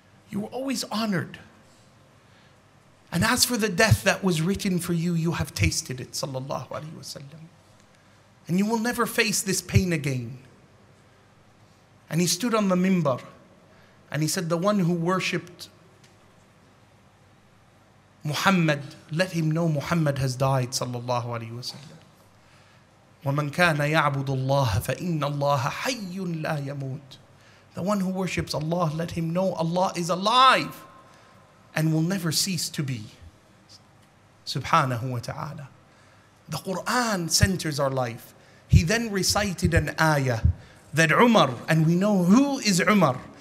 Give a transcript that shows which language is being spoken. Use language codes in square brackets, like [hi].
[en] You were always honored. And as for the death that was written for you, you have tasted it, sallallahu alayhi wa sallam. And you will never face this pain again. And he stood on the minbar. And he said, the one who worshipped Muhammad, let him know Muhammad has died, sallallahu alayhi wa sallam. [ar] ومن كان يعبد الله فإن الله حي لا يموت. [en] The one who worships Allah, let him know Allah is alive and will never cease to be. Subhanahu wa ta'ala. The Quran centers our life. He then recited an ayah that Umar, and we know who is Umar.